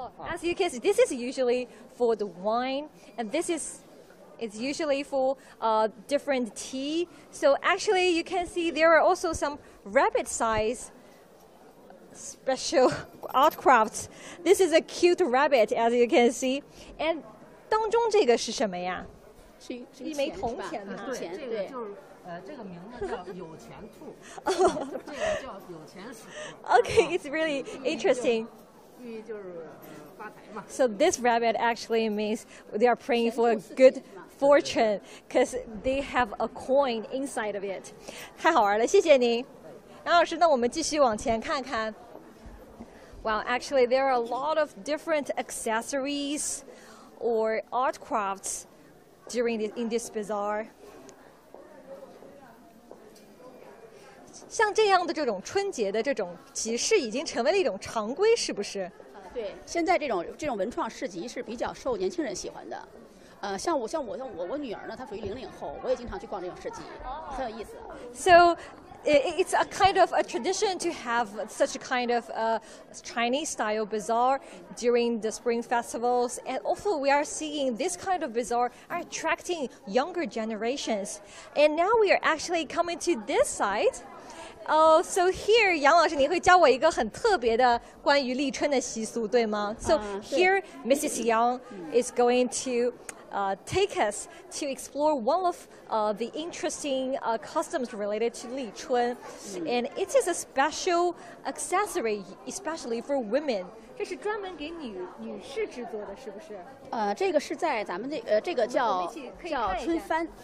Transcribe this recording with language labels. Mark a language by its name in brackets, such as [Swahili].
[English] As you can see, this is usually for the wine, and this is. It's usually for different tea. So actually, you can see there are also some rabbit size special art crafts. This is a cute rabbit, as you can see. [Chinese] And 当中这个是什么呀？是一枚铜钱吗？对，这个就是这个名字叫有钱兔，这个叫有钱鼠。 [English] Okay, it's really interesting. [Chinese] 寓意就是发财嘛。 [English] So this rabbit actually means they are praying for a good. Fortune, because they have a coin inside of it. [Chinese] 太好玩了，谢谢您，杨老师。那我们继续往前看看。 [English] Well, actually, there are a lot of different accessories or art crafts during in this bazaar. [Chinese] 像这样的这种春节的这种集市已经成为了一种常规，是不是？对，现在这种文创市集是比较受年轻人喜欢的。像我女儿呢，她属于零零后，我也经常去逛这种市集，很有意思。 [English] So, it's a kind of a tradition to have such a kind of a Chinese style bazaar during the spring festivals. And also, we are seeing this kind of bazaar are attracting younger generations. And now we are actually coming to this side. Oh, so here, [Chinese] 杨老师，您会教我一个很特别的关于立春的习俗，对吗？ [English] So here, Mrs. Yang is going to. Take us to explore one of the interesting customs related to Lichun. And it is a special accessory, especially for women. [Chinese] 这是专门给女士制作的，是不是？这个是在咱们这这个叫春帆。